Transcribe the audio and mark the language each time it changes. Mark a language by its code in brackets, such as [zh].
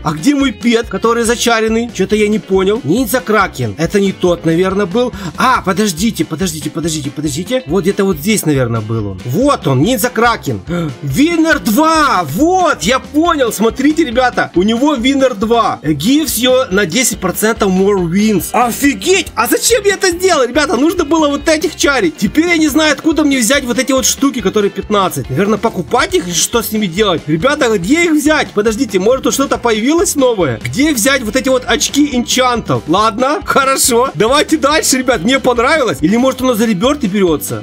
[ru] А где мой пет, который зачаренный? Что-то я не понял. Ниндзя Кракен. Это не тот, наверное, был. А, подождите, подождите, подождите, подождите. Вот где-то вот здесь, наверное, был он. Вот он, Ниндзя Кракен. Winner 2! Вот, я понял. Смотрите, ребята. У него Winner 2. [en] Gives you [ru] на [en] 10% more wins. [ru] Офигеть! А зачем я это сделал? Ребята, нужно было вот этих чарить. Теперь я не знаю, откуда мне взять вот эти вот штуки, которые 15. Наверное, покупать их? Что с ними делать? Ребята, где их взять? Подождите, может, тут что-то появилось новое? Где взять вот эти вот очки энчантов? Ладно, хорошо. Давайте дальше, ребят. Мне понравилось. Или, может, оно за реберты берется?